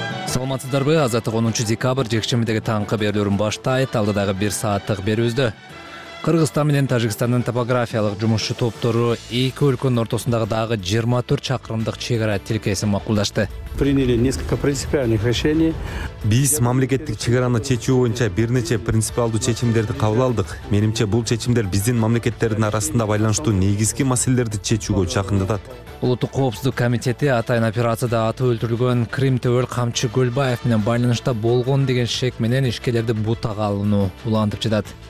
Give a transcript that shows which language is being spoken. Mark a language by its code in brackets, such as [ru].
[ky] Саламатсыздарбы, Азаттык 10 декабрь жекшембидеги таңкы берүүлөрүн баштайт. Алдыдагы бир сааттык берүүбүздө Кыргызстан менен Тажикстандын топографиялык жумушчу топтору эки өлкөнүн ортосундагы дагы 24 чакырымдык чек ара тилкесин макулдашты. [ru] Приняли несколько принципиальных решений. [ky] Биз мамлекеттик чек араны чечүү боюнча бир нече принципиалдуу чечимдерди кабыл алдык. Менимче бул чечимдер биздин мамлекеттердин арасында байланыштуу негизги маселелерди чечүүгө жакындатат. Улуттук коопсуздук комитети атайын операцияда аты өлтүрүлгөн Крим төөр Камчы Көлбаев менен байланышта болгон деген шек менен ишкерлерди бутага алууну улантып жатат.